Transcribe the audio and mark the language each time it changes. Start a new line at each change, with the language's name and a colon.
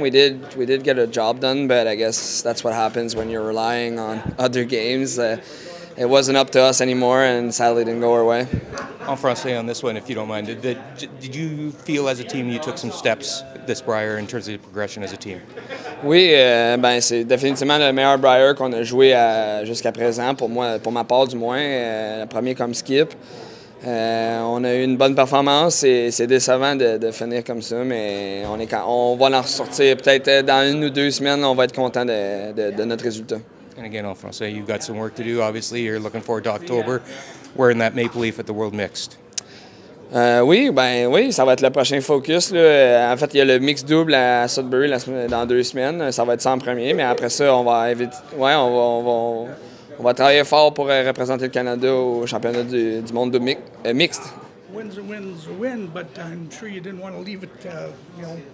English: We did get a job done, but I guess that's what happens when you're relying on other games. It wasn't up to us anymore, and sadly didn't go our way.
French: En français
English: on this one, if you don't mind. Did you feel as a team you took some steps this Brier in terms of progression as a team?
French: Oui, ben c'est définitivement le meilleur Brier qu'on a joué à, jusqu'à présent, pour moi, pour ma part du moins, le premier comme skip. On a eu une bonne performance et c'est décevant de finir comme ça, mais on va en ressortir. Peut-être dans une ou deux semaines, on va être content de notre résultat.
English: And again,
French: en français,
English: you've got some work to do, obviously. You're looking forward to October, wearing that maple leaf at the World Mixed.
French: Oui, ben oui, ça va être le prochain focus. Là. En fait, il y a le mix double à Sudbury dans deux semaines. Ça va être ça en premier, mais après ça, on va travailler fort pour représenter le Canada au championnat du monde de mixte.
English: Win's a win's a win, but I'm sure you didn't want to leave it, you know.